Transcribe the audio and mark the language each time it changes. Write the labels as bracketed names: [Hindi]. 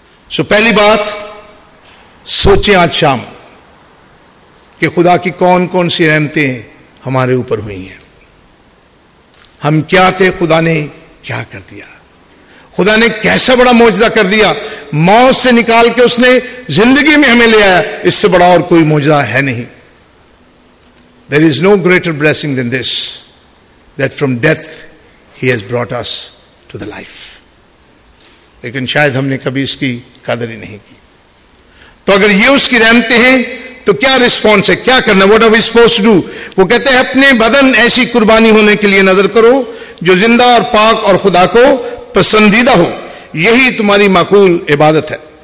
[Urdu] سو پہلی بات, سوچیں آج شام کہ خدا کی کون کون سی رحمتیں ہمارے اوپر ہوئی ہیں. ہم کیا تھے, خدا نے کیا کر دیا, خدا نے کیسا بڑا معجزہ کر دیا, موت سے نکال کے اس نے زندگی میں ہمیں لے آیا. اس سے بڑا اور کوئی معجزہ ہے نہیں. [English] There is no greater blessing than this, that from death he has brought us to the life. [Urdu] لیکن شاید ہم نے کبھی اس کی قدر ہی نہیں کی. تو اگر یہ اس کی رحمتیں ہیں تو کیا رسپانس ہے, کیا کرنا, [English] What are we suppose to do? [Urdu] وہ کہتے ہیں, اپنے بدن ایسی قربانی ہونے کے لیے نظر کرو جو زندہ اور پاک اور خدا کو پسندیدہ ہو, یہی تمہاری معقول عبادت ہے.